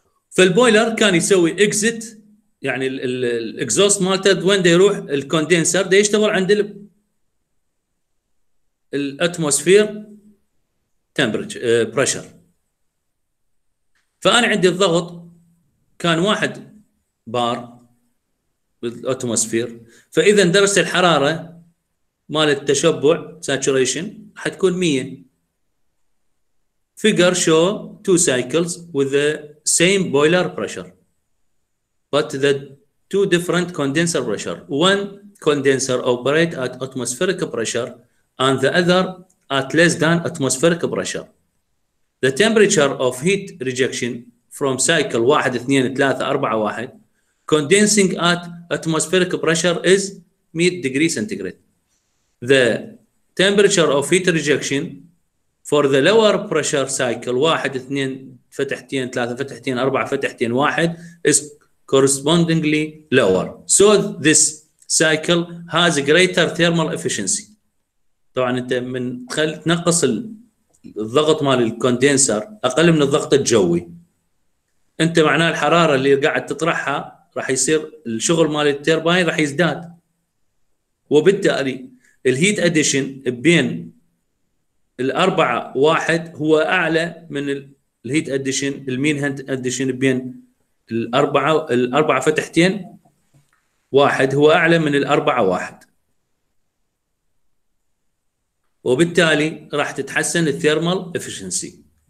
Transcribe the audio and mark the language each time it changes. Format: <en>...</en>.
<ar>فالبويلر كان يسوي اكزيت، يعني الاكزوست مالته وين دي يروح؟ الكوندنسر ده يشتغل عند الاتموسفير تمبرج بريشر. فانا عندي الضغط كان 1 بار بالاتموسفير، فاذا درجه الحراره مال التشبع ساتوريشن حتكون 100.</ar> <en>Figure show two cycles with the same boiler pressure, but the two different condenser pressure. One condenser operate at atmospheric pressure and the other at less than atmospheric pressure. The temperature of heat rejection from cycle 1, 2, 3, 4, 1 condensing at atmospheric pressure is 100 degrees centigrade. The temperature of heat rejection for the lower pressure cycle 1 2</en> <ar>فتحتين</ar> <en>3 فتحتين 4 فتحتين 1 is correspondingly lower. So this cycle has greater thermal efficiency.</en> <ar>طبعا انت من تخلي تنقص الضغط مال الكوندنسر اقل من الضغط الجوي، انت معناه الحراره اللي قاعد تطرحها راح يصير الشغل مال التيرباين راح يزداد، وبالتالي الهيت اديشن بين الأربعة واحد هو أعلى من الهيت أديشن المين هيت أديشن بين الأربعة فتحتين واحد هو أعلى من الأربعة واحد، وبالتالي راح تتحسن الثيرمال إفشنسي.</ar>